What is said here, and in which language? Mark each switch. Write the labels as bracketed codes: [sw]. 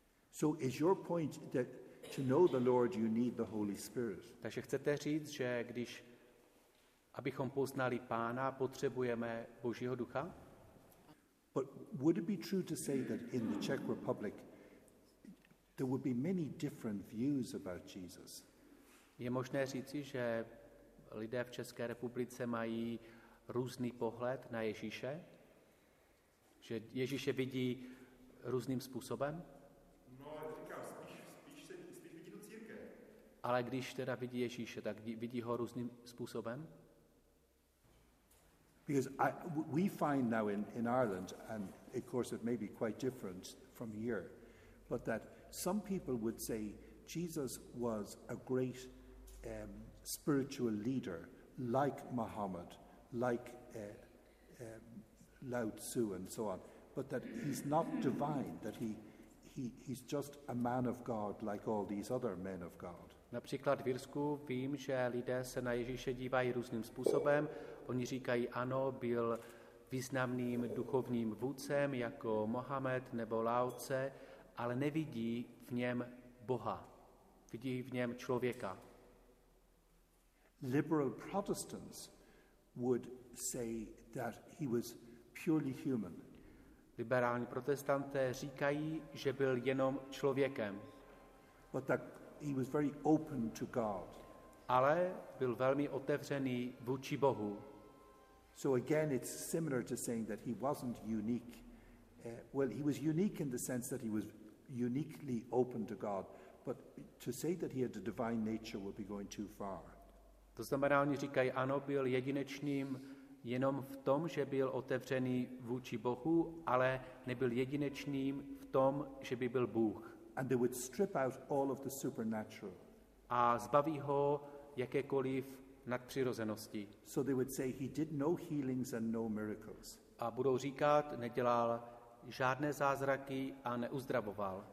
[en] So is your point that to know the Lord you need the Holy Spirit? [cs] Takže chcete říct, že když abychom poznali Pána, potřebujeme Božího ducha? [en] But would it be true to say that in the Czech Republic there would be many different views about Jesus? [cs] Je možné říci, že lidé v České republice mají různý pohled na Ježíše? Že Ježíše vidí různým způsobem? No, říkám, spíš vidí do církve. Ale když teda vidí Ježíše, tak vidí ho různým způsobem? [en] Because we find now in Ireland, and of course it may be quite different from here, but that some people would say Jesus was a great spiritual leader, like Muhammad, like Lao Tzu and so on, but that he's not divine, that he's just a man of God like all these other men of God. [cs] Například v Irsku vím, že lidé se na Ježíše dívají různým způsobem. Oni říkají, ano, byl významným duchovním vůdcem jako Mohamed nebo Lao Tse, ale nevidí v něm Boha. Vidí v něm člověka. [en] Liberal Protestants would say that he was purely human. [cs] Liberální protestanté říkají, že byl jenom člověkem. [en] But that he was very open to God. [cs] Ale byl velmi otevřený vůči Bohu. [en] So again it's similar to saying that he wasn't unique. Well, he was unique in the sense that he was uniquely open to God, but to say that he had a divine nature would be going too far. [cs] To znamená, oni říkají, ano, byl jedinečným jenom v tom, že byl otevřený vůči Bohu, ale nebyl jedinečným v tom, že by byl Bůh. [en] And they would strip out all of the supernatural. [cs] A zbaví ho jakékoliv nadpřirozenosti. [en] So they would say he did no healings and no miracles. [cs] A budou říkat, nedělal žádné zázraky a neuzdravoval.